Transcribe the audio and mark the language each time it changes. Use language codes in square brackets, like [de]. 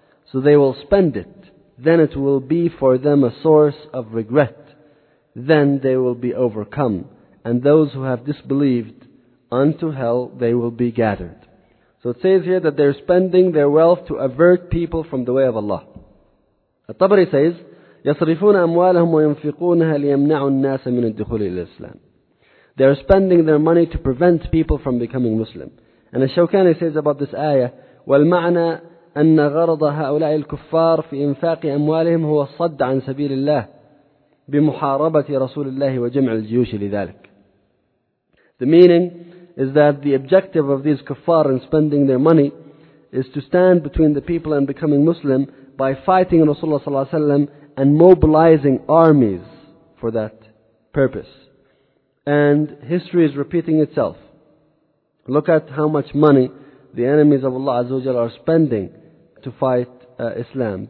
[en] So they will spend it. Then it will be for them a source of regret. Then they will be overcome. And those who have disbelieved, unto hell they will be gathered. So it says here that they're spending their wealth to avert people from the way of Allah. At-Tabari says, [ar] يَصْرِفُونَ أَمْوَالَهُمْ وَيُنْفِقُونَهَا لِيَمْنَعُوا النَّاسَ مِنَ الدُّخُولِ إِلَى الْإِسْلَامِ. [en] They are spending their money to prevent people from becoming Muslim. And Ash-Shawkani says about this ayah, [ar] وَالْمَعْنَى أَنَّ غَرَضَ هَؤُلَاءِ الْكُفَّارِ فِي إِنْفَاقِ أَمْوَالِهِمْ هُوَ الصَّدَّ عَنْ سَبِيلِ اللَّهِ بِمُحَارَبَةِ رَسُولِ اللَّهِ وَجَمْعِ الْجِيُوشِ لِذَلِكِ. [en] The meaning is that the objective of these kuffar in spending their money is to stand between the people and becoming Muslim by fighting Rasulullah sallallahu alayhi wa sallam and mobilizing armies for that purpose. And history is repeating itself. Look at how much money the enemies of Allah Azza wa Jalla are spending to fight Islam.